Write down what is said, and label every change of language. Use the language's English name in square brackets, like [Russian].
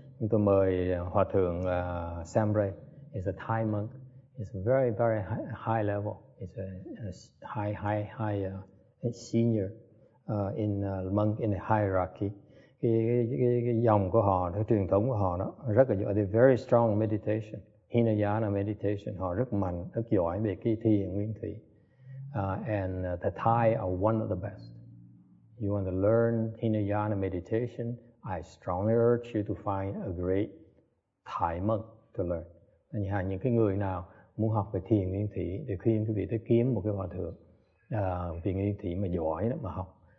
[Vietnamese] Chúng tôi mời Hòa thượng Samre. [English] He's a Thai monk. He's very very high level. He's a high senior in monk in the hierarchy. [Vietnamese] Cái dòng của họ, cái truyền thống của họ đó rất là giỏi. [English] They're very strong meditation, Hinayana meditation. [Vietnamese] Họ rất mạnh, rất giỏi về cái thiền nguyên thủy. [English] And the Thai are one of the best. You want to learn Hinayana meditation, I strongly urge you to find a great Thai monk to learn. [Vietnamese] Nên là những cái người nào muốn học về thiền nguyên thủy thì khuyên quý vị tới kiếm một cái hòa thượng thiền nguyên thủy mà giỏi đó mà học.